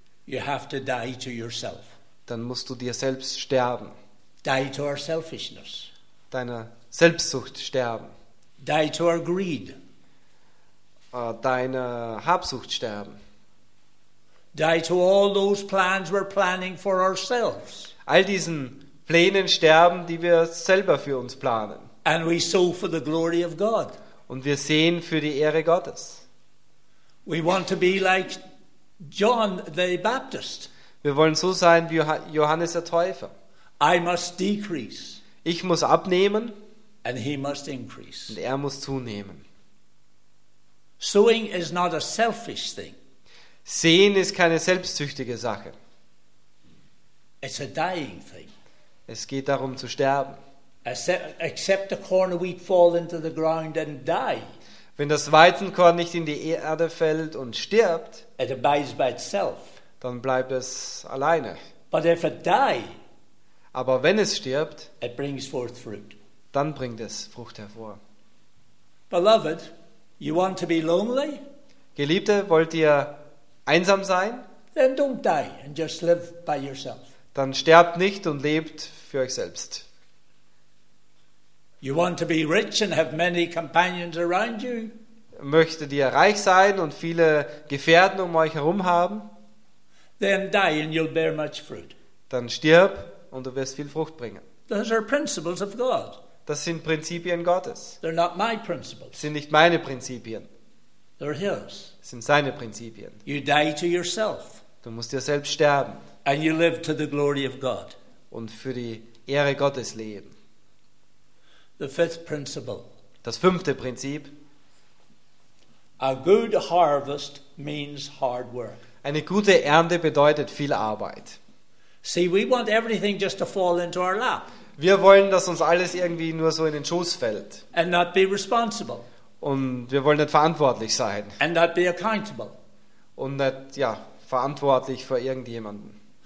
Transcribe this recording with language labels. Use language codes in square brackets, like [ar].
[en] you have to die to yourself. [de] Dann musst du dir selbst sterben. [en] Die to our selfishness. [de] Deiner Selbstsucht sterben. [en] Die to our greed. [de] Deine Habsucht sterben. [en] Die to all those plans we're planning for ourselves. [de] All diesen Plänen sterben, die wir selber für uns planen. [en] And we sow for the glory of God. [de] Und wir sehen für die Ehre Gottes. [en] We want to be like John the Baptist. [de] Wir wollen so sein wie Johannes der Täufer. [en] I must decrease. [de] Ich muss abnehmen. [en] And he must increase. [de] Und er muss zunehmen. [en] Sowing is not a selfish thing. [de] Sehen ist keine selbstsüchtige Sache. [en] It's a dying thing. [de] Es geht darum zu sterben. [en] Except a corn of wheat fall into the ground and die. [de] Wenn das Weizenkorn nicht in die Erde fällt und stirbt, [en] it abides by itself. [de] Dann bleibt es alleine. [en] But if it die, [de] aber wenn es stirbt, [en] it brings forth fruit. [de] Dann bringt es Frucht hervor. [en] Beloved, you want to be lonely? [de] Geliebte, wollt ihr einsam sein? [en] Then don't die and just live by yourself. [de] Dann sterbt nicht und lebt für euch selbst. [en] You want to be rich and have many companions around you? [de] Möchtet ihr reich sein und viele Gefährten um euch herum haben? [en] Then die and you'll bear much fruit. [de] Dann stirb und du wirst viel Frucht bringen. [en] Those are principles of God. [de] Das sind Prinzipien Gottes. [en] They're not my principles. [de] Sind nicht meine Prinzipien. [en] They're his. [de] Sind seine Prinzipien. [en] You die to yourself. [de] Du musst dir selbst sterben. [en] And you live to the glory of God. [de] Und für die Ehre Gottes leben. [en] The fifth principle. [de] Das fünfte Prinzip. [en] A good harvest means hard work. [de] Eine gute Ernte bedeutet viel Arbeit. [en] See, we want everything just to fall into our lap. [de] Wir wollen, dass uns alles irgendwie nur so in den Schoß fällt. [en] And not be responsible. [de] Und wir wollen nicht verantwortlich sein. [en] And not be accountable. [de] Und nicht, ja, verantwortlich vor irgendjemanden.